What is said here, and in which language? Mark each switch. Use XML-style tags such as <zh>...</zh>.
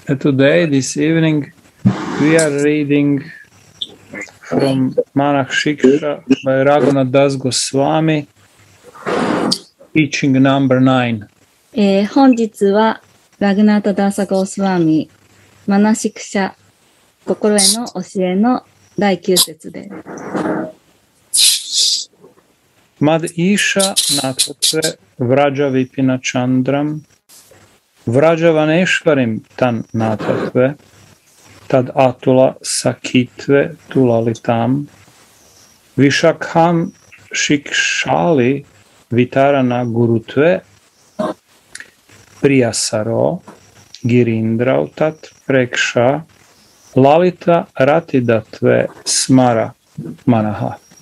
<en>Today, this evening, we are reading from Manakshiksha by Raghunath Das Goswami, teaching number 9.</en> <ja>本日はラグナート・ダーサ・ゴースワミ、マナシクシャ、心への教えの第9節です。</ja> <sa>マディーシャ・ナトツェ・ヴラジャ・ヴィピナ・チャンドラム、Vrajavaneshvarim tan natatve, tad atula sakitve tulalitam, vishakham shikshali vitarana gurutve, priyasaro girindrautat preksha, lalita ratidatve smara manaha.</sa>